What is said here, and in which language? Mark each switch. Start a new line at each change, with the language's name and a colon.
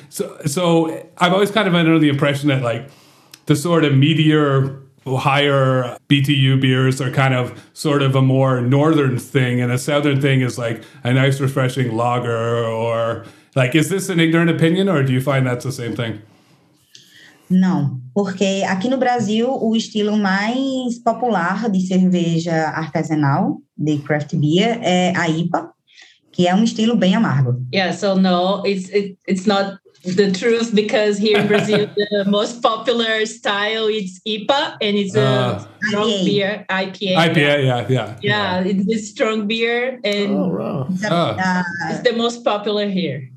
English: So I've always kind of been under the impression that like the sort of meatier, higher BTU beers are kind of sort of a more northern thing, and a southern thing is like a nice refreshing lager. Or like, is this an ignorant opinion, or do you find that's the same thing?
Portuguese: Não, porque aqui no Brasil o estilo mais popular de cerveja artesanal, de craft beer, é a IPA, que é estilo bem amargo.
English: Yeah, so no, it's not the truth, because here in Brazil the most popular style is IPA, and it's a strong beer, IPA. IPA. It's a strong beer, and it's the most popular here.